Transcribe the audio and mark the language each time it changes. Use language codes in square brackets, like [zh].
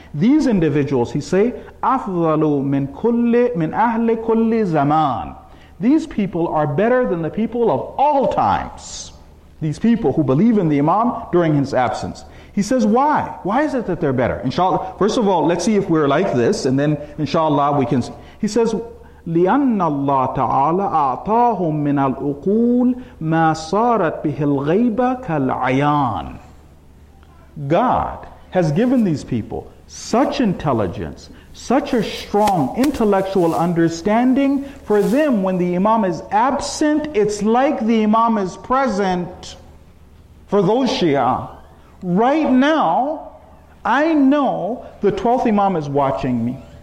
[en] These individuals, he say, [ar] afdalu min ahli kulli zaman. [en] These people are better than the people of all times. These people who believe in the imam during his absence. He says, why? Why is it that they're better? Inshallah, first of all, let's see if we're like this, and then inshallah we can see. He says, [ar] لِأَنَّ اللَّهَ تَعَالَى أَعْطَاهُمْ مِنَ الْأُقُولِ مَا صَارَتْ بِهِ الْغَيْبَ كَالْعَيَانِ. [en] God has given these people such intelligence, such a strong intellectual understanding. For them, when the imam is absent, it's like the imam is present. For those Shia, right now, I know the 12th imam is watching me.